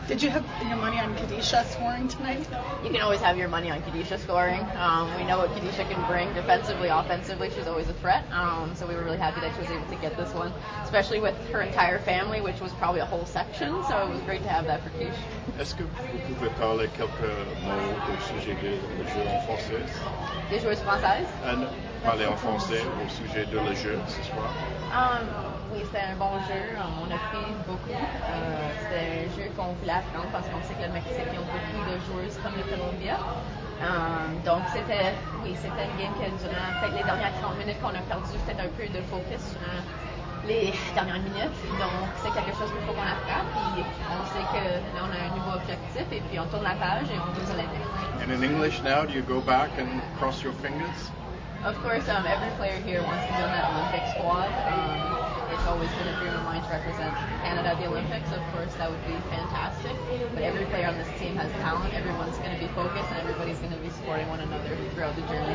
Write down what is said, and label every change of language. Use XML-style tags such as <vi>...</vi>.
<en>Did you have your money on Kadisha scoring tonight? You can always have your money on Kadisha scoring. We know what Kadisha can bring defensively, offensively. She's always a threat. So we were really happy that she was able to get this one, especially with her entire family, which was probably a whole section. So it was great to have that for Kish.</en> <fr>Est-ce que vous pouvez parler quelques mots au sujet du jeu en français? Des joueurs français? Parler en français au sujet de le jeu ce soir? Oui, c'était un bon jeu. On a fait beaucoup. C'était un jeu qu'on voulait apprendre parce qu'on sait que le Mexique a beaucoup de joueurs comme le Colombia. Donc c'était une game qui a duré peut-être les dernières 30 minutes qu'on a perdu peut-être un peu de focus sur les dernières minutes. Donc c'est quelque chose qu'il faut qu'on apprenne. Puis on sait que là on a un nouveau objectif et puis on tourne la page et on joue la tête.</fr> <en>And in English now, do you go back and cross your fingers? Of course, every player here wants to be on that Olympic squad. It's always been a dream of mine to represent Canada at the Olympics. Of course, that would be fantastic. But every player on this team has talent. Everyone's going to be focused, and everybody's going to be supporting one another throughout the journey.</en>